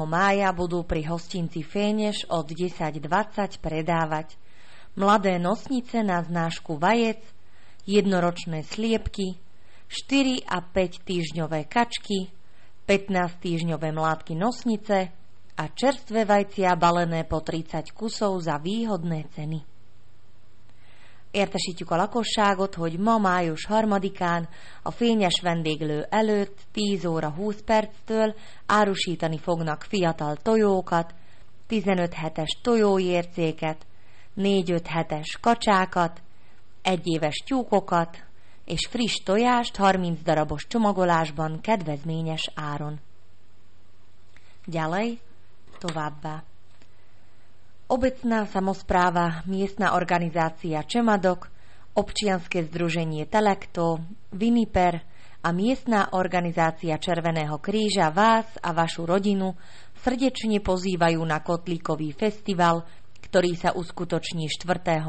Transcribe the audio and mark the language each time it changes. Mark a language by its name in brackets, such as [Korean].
[Slovak] mája budú pri hostinci Fénieš od 10.20 predávať mladé nosnice na znášku vajec, jednoročné sliepky, 4 a 5 týždňové kačky, 15 týždňové mládky nosnice a čerstvé vajcia balené po 30 kusov za výhodné ceny. [Hungarian] Értesítjük a lakosságot, hogy ma május 3-án a fényes vendéglő előtt 10 óra 20 perctől árusítani fognak fiatal tojókat, 15 hetes tojójércéket, 4-5 hetes kacsákat, 1 éves tyúkokat és friss tojást 30 darabos csomagolásban kedvezményes áron. [Slovak] Ďalej, továbbá. Obecná samospráva, miestna organizácia Čemadok, občianske združenie Telekto, Viniper a miestna organizácia Červeného kríža vás a vašu rodinu srdečne pozývajú na kotlíkový festival, ktorý sa uskutoční 4.